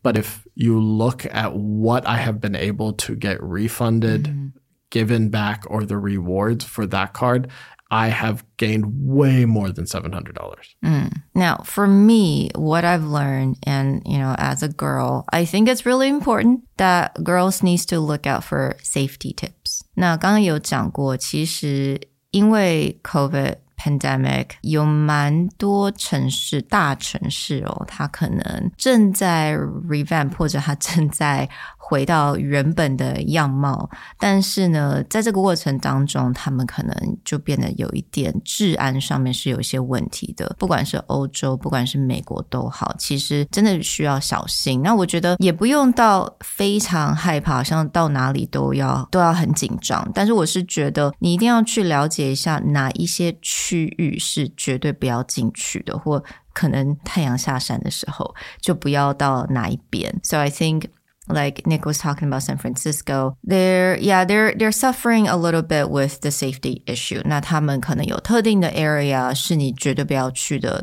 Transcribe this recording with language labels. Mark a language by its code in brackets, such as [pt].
[en] But if you look at what I have been able to get refunded, given back, or the rewards for that card, I have gained way more than $700. Now, for me, what I've learned, and, you know, as a girl, I think it's really important that girls need to look out for safety tips. [zh] 那刚刚有讲过，其实因为 COVID pandemic, 有蛮多城市，大城市哦，它可能正在 revamp, 或者它正在回到原本的样貌，但是呢，在这个过程当中，他们可能就变得有一点治安上面是有一些问题的，不管是欧洲，不管是美国都好，其实真的需要小心。那我觉得也不用到非常害怕，好像到哪里都要很紧张，但是我是觉得你一定要去了解一下哪一些区域是绝对不要进去的，或可能太阳下山的时候就不要到哪一边。 [en] So I thinklike Nick was talking about San Francisco, they're suffering a little bit with the safety issue. [zh] 那他们可能有特定的 area 是你绝对不要去的。